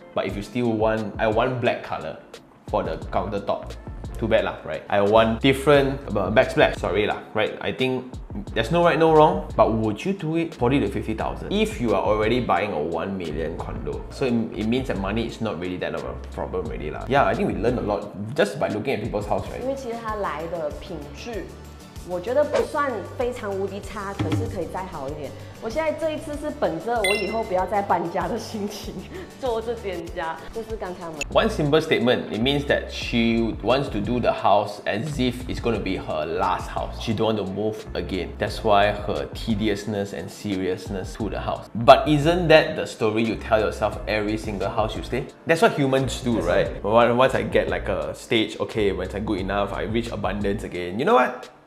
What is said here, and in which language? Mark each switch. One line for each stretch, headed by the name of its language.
English: But if you still want, I want black color for the countertop, too bad lah, right? I want different backsplash, sorry lah, right? I think there's no right, no wrong, but would you do it 40 to 50,000 if you are already buying a 1 million condo? So it means that money is not really that of a problem really lah. Yeah, I think we learn a lot just by looking at people's house, right?
Chinese: 因为其实它来的品质我觉得不算非常无敌差，可是可以再好一点。我现在这一次是本着我以后不要再搬家的心情做这边家，就是刚才我们。
English: One simple statement, it means that she wants to do the house as if it's going to be her last house. She don't want to move again. That's why her tediousness and seriousness to the house. But isn't that the story you tell yourself every single house you stay? That's what humans do, right? Once I get like a stage, okay, when I'm good enough, I reach abundance again. You know what?